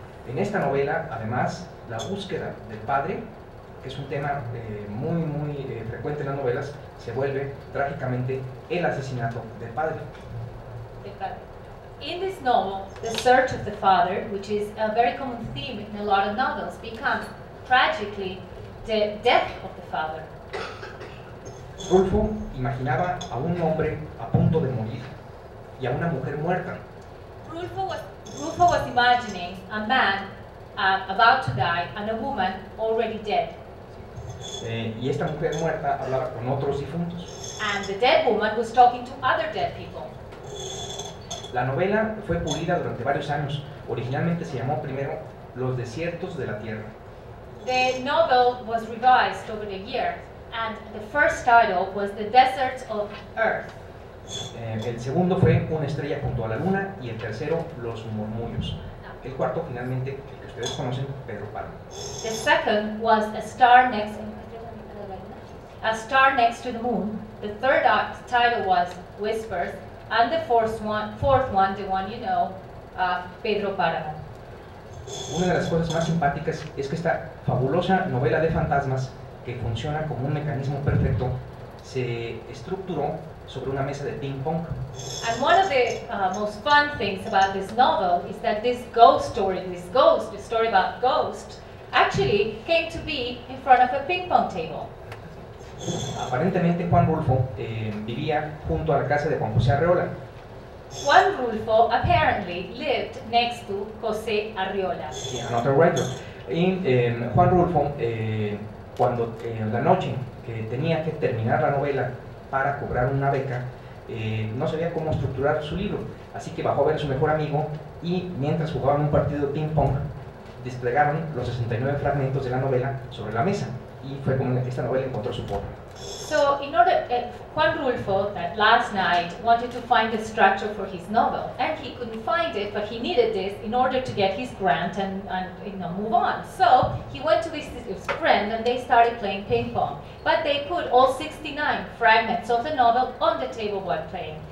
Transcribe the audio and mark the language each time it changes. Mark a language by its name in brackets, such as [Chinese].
[Spanish] En esta novela, además, la búsqueda del padre, que es un tema muy, muy frecuente en las novelas, se vuelve trágicamente el asesinato del padre. [English] In this novel, the search of the father, which is a very common theme in a lot of novels, becomes tragically the death of the father. [Spanish] Rulfo imaginaba a un hombre a punto de morir y a una mujer muerta. [English] Rulfo was imagining a man about to die and a woman already dead. [Spanish] Y esta mujer muerta hablaba con otros difuntos. [English] And the dead woman was talking to other dead people. [Spanish] La novela fue pulida durante varios años. Originalmente se llamó primero Los desiertos de la tierra. [English] The novel was revised over the years, and the first title was The Deserts of Earth. [Spanish] El segundo fue Una estrella junto a la luna, y el tercero, Los murmullos. El cuarto, finalmente, el que ustedes conocen, Pedro Páramo. [English] The second was A Star Next to the Moon. The third title was Whispers, and the fourth one, the one you know, Pedro Páramo. [Spanish] Una de las cosas más simpáticas es que esta fabulosa novela de fantasmas, que funciona como un mecanismo perfecto, se estructuró sobre una mesa de ping pong. [English] And one of the most fun things about this novel is that this story about ghosts, actually came to be in front of a ping pong table. [Spanish] Aparentemente Juan Rulfo vivía junto a la casa de Juan José Arreola. [English] Juan Rulfo apparently lived next to José Arreola. Yeah, another writer. [Spanish] Y Juan Rulfo, cuando la noche que tenía que terminar la novela para cobrar una beca, no sabía cómo estructurar su libro, así que bajó a ver a su mejor amigo y mientras jugaban un partido de ping pong, desplegaron los 69 fragmentos de la novela sobre la mesa, y fue como esta novela encontró su forma. [English] So, in order, Juan Rulfo, that last night, wanted to find the structure for his novel, and he couldn't find it, but he needed this in order to get his grant and move on. So, he went to visit his friend, and they started playing ping pong. But they put all 69 fragments of the novel on the table while playing.